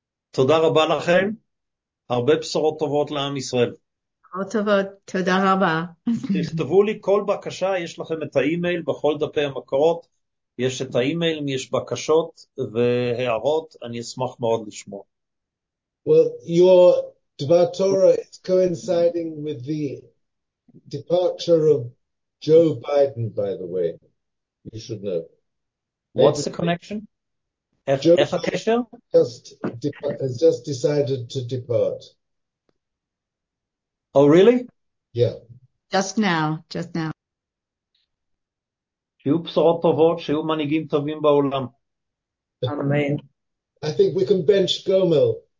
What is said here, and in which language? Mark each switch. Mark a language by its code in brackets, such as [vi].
[he] תודה רבה לכם, הרבה בשורות טובות לעם ישראל. בשורות טובות, תודה רבה. תכתבו לי כל בקשה, יש לכם את האימייל בכל דפי המקורות, יש את האימייל, יש בקשות והערות, אני אשמח מאוד לשמוע. [en] Well, your Dvar Torah is coinciding with the departure of Joe Biden, by the way. You should know. What's the connection? Joe [he] איך הקשר? [en] Has just decided to depart. Oh, really? Yeah. Just now. [he] שיהיו בשורות טובות, שיהיו מנהיגים טובים בעולם. אמן. [en] I think we can bench Gomel.